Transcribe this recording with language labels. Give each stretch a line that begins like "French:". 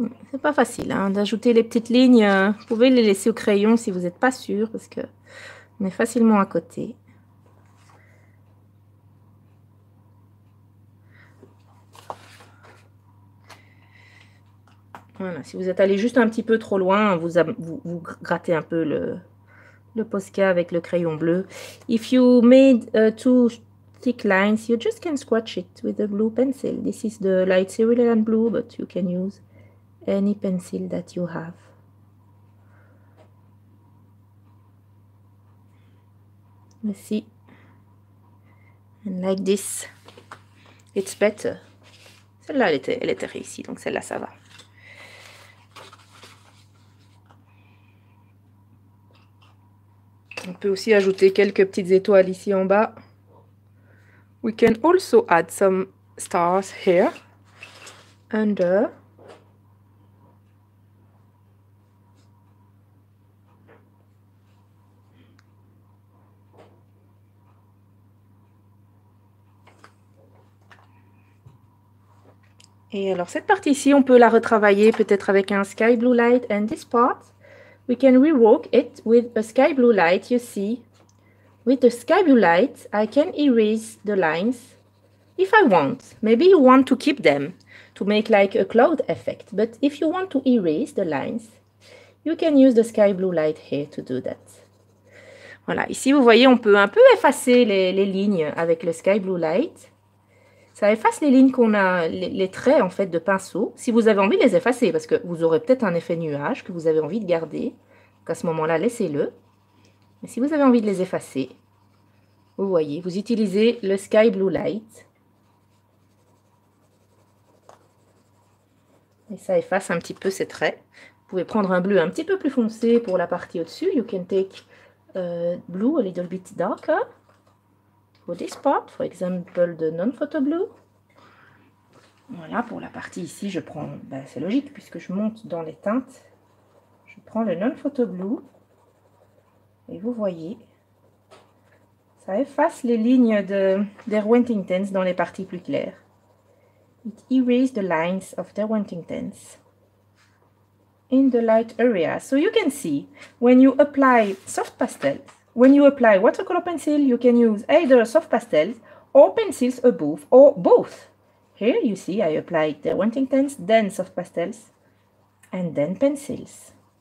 French: C'est pas facile hein, d'ajouter les petites lignes. Vous pouvez les laisser au crayon si vous n'êtes pas sûr, parce que on est facilement à côté. Voilà, si vous êtes allé juste un petit peu trop loin, vous grattez un peu le Posca avec le crayon bleu.
English: If you made too thick lines, you just can scratch it with a blue pencil. This is the light cerulean blue, but you can use any pencil that you have. Let's see. And like this. It's better.
French: Celle-là, elle était réussie, donc celle-là, ça va. On peut aussi ajouter quelques petites étoiles ici en bas.
English: We can also add some stars here. Under.
French: Et alors cette partie ici, on peut la retravailler peut-être avec un sky blue light.
English: And this part, we can rework it with a sky blue light, you see. With the sky blue light, I can erase the lines if I want. Maybe you want to keep them to make like a cloud effect. But if you want to erase the lines, you can use the sky blue light here to do that.
French: Voilà, ici vous voyez, on peut un peu effacer les lignes avec le sky blue light. Ça efface les lignes qu'on a, les traits en fait de pinceau. Si vous avez envie de les effacer, parce que vous aurez peut-être un effet nuage que vous avez envie de garder. Donc à ce moment-là, laissez-le. Mais si vous avez envie de les effacer, vous voyez, vous utilisez le Sky Blue Light. Et ça efface un petit peu ces traits. Vous pouvez prendre un bleu un petit peu plus foncé pour la partie au-dessus.
English: You can take blue a little bit darker. For this part, for example, the non-photo blue.
French: Voilà, pour la partie ici, je prends, ben c'est logique, puisque je monte dans les teintes, je prends le non-photo blue, et vous voyez, ça efface les lignes de Derwent Intents dans les parties plus claires.
English: It erases the lines of Derwent Intents in the light area. So you can see, when you apply soft pastels, when you apply watercolor pencil, you can use either soft pastels or pencils above or both. Here you see I applied the Derwent Intents, then soft pastels, and then pencils.